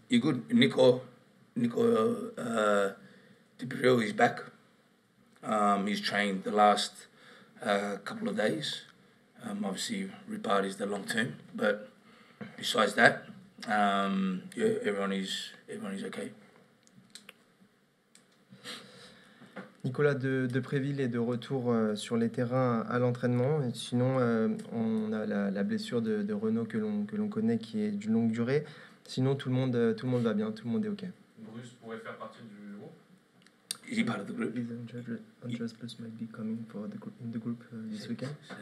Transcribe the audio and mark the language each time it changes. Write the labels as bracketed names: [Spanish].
[English] You're good. Nico DiPirillo is back. He's trained the last couple of days. Obviously, Ripard is the long term, but besides that, yeah, everyone is okay. [French] Nicolas de Préville est de retour sur les terrains à l'entraînement. Sinon, on a la blessure de Renault que l'on connaît, qui est d'une longue durée. Sinon, tout le monde va bien, tout le monde est OK. Bruce pourrait faire partie du groupe. [English] Is he part of the group? Is Andreas Bruce might be coming for the group, in the group this weekend?